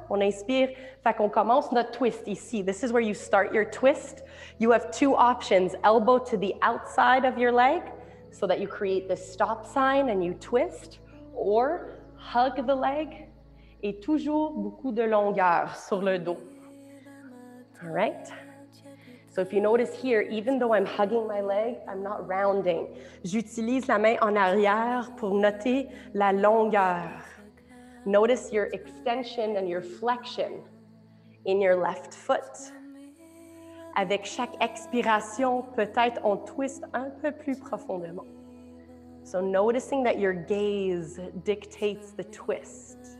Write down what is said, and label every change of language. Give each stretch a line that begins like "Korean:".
French: On inspire, fait qu'on commence notre twist ici.
English: This is where you start your twist. You have two options, elbow to the outside of your leg so that you create the stop sign and you twist, or hug the leg.
French: Et toujours beaucoup de longueur sur le dos.
English: All right. So if you notice here, even though I'm hugging my leg, I'm not rounding.
French: J'utilise la main en arrière pour noter la longueur.
English: Notice your extension and your flexion in your left foot.
French: Avec chaque expiration, peut-être on twist un peu plus profondément.
English: So noticing that your gaze dictates the twist.